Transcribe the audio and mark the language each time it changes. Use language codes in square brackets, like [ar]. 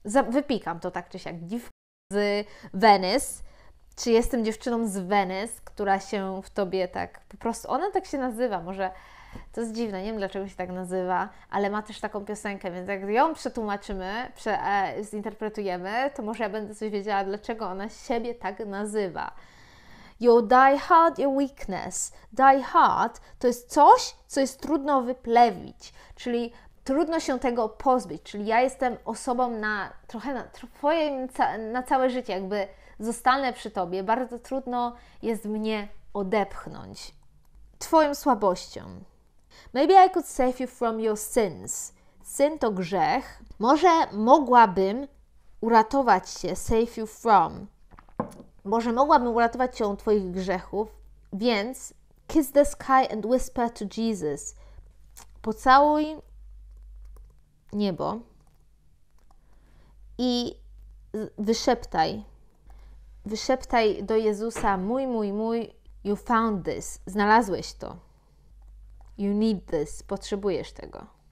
[pl] Wypikam to tak czy siak, dziewczyną z Venice, czy jestem dziewczyną z Venice, która się w Tobie tak po prostu, ona tak się nazywa, może to jest dziwne, nie wiem dlaczego się tak nazywa, ale ma też taką piosenkę, więc jak ją przetłumaczymy, zinterpretujemy, to może ja będę coś wiedziała, dlaczego ona siebie tak nazywa. [en] Your die hard, your weakness. Die hard [pl] to jest coś, co jest trudno wyplewić, czyli trudno się tego pozbyć, czyli ja jestem osobą na trochę na Twoje na całe życie, jakby zostanę przy Tobie, bardzo trudno jest mnie odepchnąć. Twoją słabością. [en] Maybe I could save you from your sins. [pl] Sin to grzech. Może mogłabym uratować się, [en] save you from. [pl] Może mogłabym uratować się od Twoich grzechów, więc [en] kiss the sky and whisper to Jesus. [pl] Pocałuj niebo i wyszeptaj do Jezusa, mój, [en] you found this, [pl] znalazłeś to, [en] you need this, [pl] potrzebujesz tego.